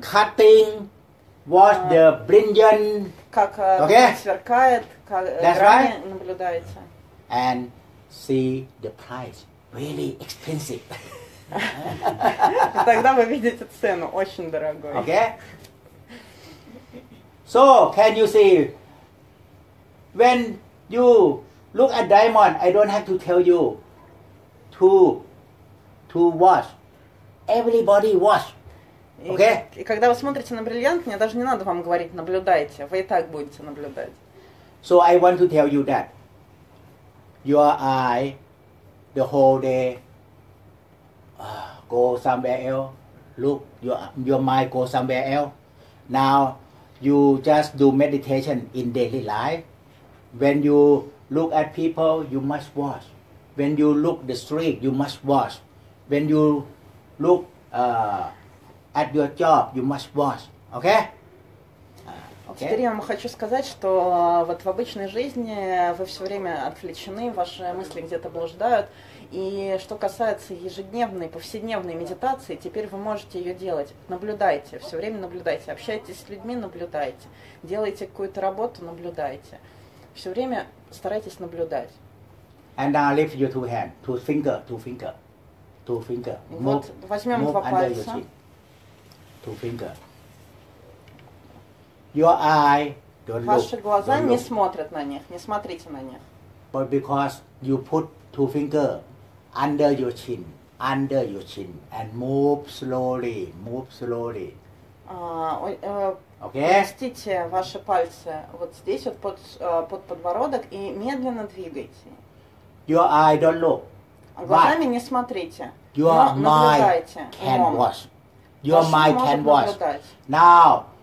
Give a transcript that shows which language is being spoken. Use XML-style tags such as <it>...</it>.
<en>Cutting, watch the brilliant.</en> <ru>Как</ru> <en>okay?</en> <ru>Сверкает.</ru> <en>That's right.</en> <ru>Наблюдаете.</ru> <en>And see the price, really expensive.</en> <ru>Тогда вы видите цену, очень дорогой.</ru> <en>Okay. So can you see when you look at diamond? I don't have to tell you to watch. Everybody watch. Okay.</en> <ru>И когда вы смотрите на бриллиант, мне даже не надо вам говорить, наблюдайте. Вы и так будете наблюдать.</ru> <en>So I want to tell you that your eye, the whole day, go somewhere else. Look, your mind go somewhere else. Now you just do meditation in daily life. When you look at people, you must watch. When you look the street, you must watch. When you look at your job, you must watch. Okay? Okay.</en> <ru>Теперь я вам хочу сказать, что вот в обычной жизни вы все время отвлечены, ваши мысли где-то блуждают. И что касается ежедневной, повседневной медитации, теперь вы можете ее делать. Наблюдайте, все время наблюдайте, общайтесь с людьми, наблюдайте. Делайте какую-то работу, наблюдайте. Все время старайтесь наблюдать.</ru> <en>And now lift your two hand, two finger.</en> <ru>Вот возьмем два пальца.</ru> <en>Two finger. Your eye don't look.</en> <ru>Ваши глаза не смотрят на них, не смотрите на них.</ru> <en>But because you put two finger under your chin, and move slowly. Okay.</en> <ru>Опустите ваши пальцы вот здесь вот под подбородок и медленно двигайте.</ru> <en>Your eye don't look.</en> <ru>Глазами не смотрите.</ru> <en>Your mind can watch. Your mind can watch. Now.</en>